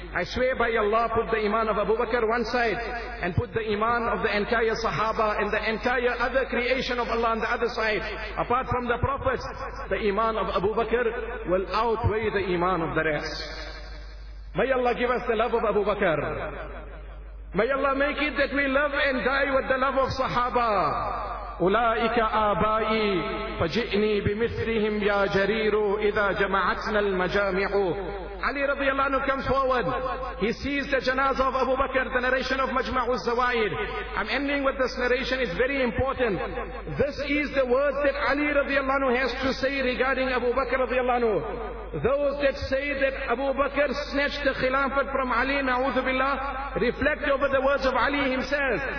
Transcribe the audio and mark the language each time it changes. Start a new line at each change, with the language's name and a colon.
English: I swear by Allah, put the iman of Abu Bakr one side and put the iman of the entire Sahaba and the entire other creation of Allah on the other side. Apart from the prophets, the iman of Abu Bakr will outweigh the iman of the rest. May Allah give us the love of Abu Bakr. May Allah make it that we love and die with the love of Sahaba.
Arabic: أولئك آبائي فجئني بمثلهم يا جرير إذا جمعتنا المجامع
English: Ali radiallahu anhu comes forward. He sees the janazah of Abu Bakr, the narration of Majma'u al-Zawaid. I'm ending with this narration, it's very important. This is the words that Ali radiallahu anhu has to say regarding Abu Bakr radiallahu anhu. Those that say that Abu Bakr snatched the khilafat from Ali, na'udhu billah, reflect over the words of Ali himself.